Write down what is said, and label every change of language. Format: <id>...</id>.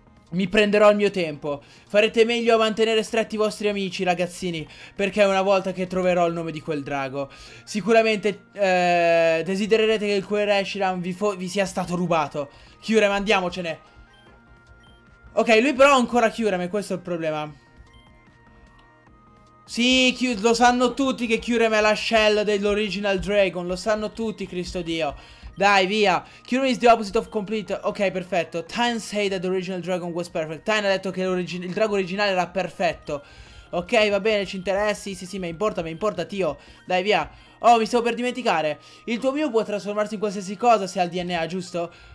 <it>Mi prenderò il mio tempo. Farete meglio a mantenere stretti i vostri amici, ragazzini, perché una volta che troverò il nome di quel drago, sicuramente desidererete che il cuore Reshiram vi sia stato rubato. Kyurem, andiamocene. Ok, lui però ha ancora Kyurem, e questo è il problema. Sì, lo sanno tutti che Kyurem è la shell dell'</it> <en>original dragon.</en> <it>Lo sanno tutti, Cristo Dio. Dai, via.</it> <en>Kyurem is the opposite of complete.</en> <it>Ok, perfetto.</it> <en>Tain said that the original dragon was perfect.</en> <it>Tain ha detto che il drago originale era perfetto. Ok, va bene, ci interessi. Sì, mi importa, tio. Dai, via. Oh, mi stavo per dimenticare. Il tuo Mew può trasformarsi in qualsiasi cosa se ha il DNA, giusto?</it>